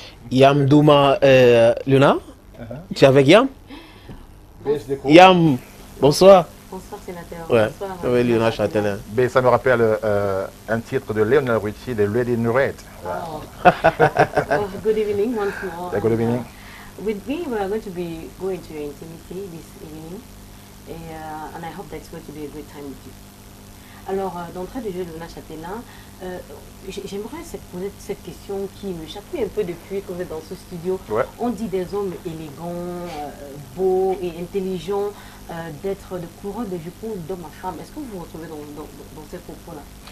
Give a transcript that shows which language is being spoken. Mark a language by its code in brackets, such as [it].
[fr] Yam Douma, Luna, tu es avec Yam? Yam, bonsoir. Bonsoir, sénateur. Ouais. Bonsoir, oui, Luna Châtelain. Mais ça me rappelle un titre de Lionel Richie, de Lady in Red. [en] Wow. Good evening, once more. Good evening. With me, we are going to be going to your intimacy this evening. And I hope that it's going to be a good time with you. [fr] Alors, d'entrée de jeu, Luna Châtelain, j'aimerais poser cette question qui me chatouille un peu depuis qu'on est dans ce studio. Ouais. On dit des hommes élégants, beaux et intelligents, d'être de couronne de jupons d'hommes à femmes. Est-ce que vous vous retrouvez dans ces propos-là?